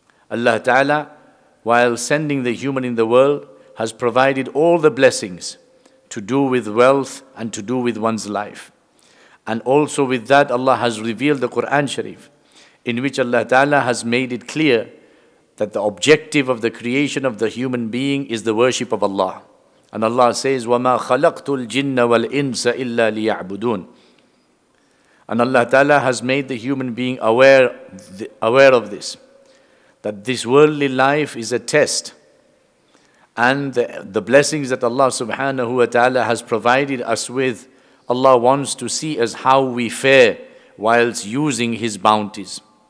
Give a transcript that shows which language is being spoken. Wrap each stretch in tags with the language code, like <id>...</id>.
<en>Allah ta'ala, while sending the human in the world, has provided all the blessings to do with wealth and to do with one's life. And also with that, Allah has revealed the Quran Sharif, in which Allah Ta'ala has made it clear that the objective of the creation of the human being is the worship of Allah. And Allah says,</en> <ar>وَمَا خَلَقْتُ الْجِنَّ وَالْإِنسَ إِلَّا لِيَعْبُدُونَ.</ar> <en>And Allah Ta'ala has made the human being aware of this, that this worldly life is a test. And the blessings that Allah Subhanahu wa Ta'ala has provided us with, Allah wants to see us how we fare whilst using His bounties.</en>